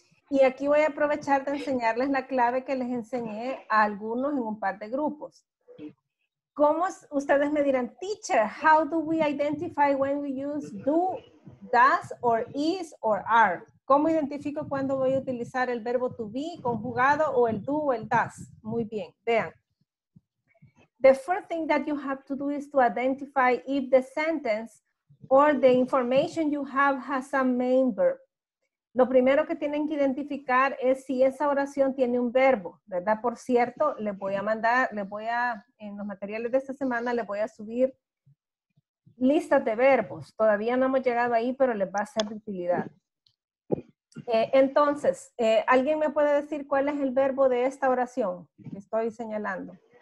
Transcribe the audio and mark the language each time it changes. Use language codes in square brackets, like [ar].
[es] Y aquí voy a aprovechar de enseñarles la clave que les enseñé a algunos en un par de grupos. ¿Cómo ustedes me dirán, [en] teacher, how do we identify when we use do, does, or is, or are? [es] ¿Cómo identifico cuándo voy a utilizar el verbo to be conjugado o el do o el does? Muy bien, vean. [en] The first thing that you have to do is to identify if the sentence or the information you have has a main verb. [es] Lo primero que tienen que identificar es si esa oración tiene un verbo, ¿verdad? Por cierto, en los materiales de esta semana les voy a subir listas de verbos. Todavía no hemos llegado ahí, pero les va a ser de utilidad. Entonces, ¿alguien me puede decir cuál es el verbo de esta oración que estoy señalando?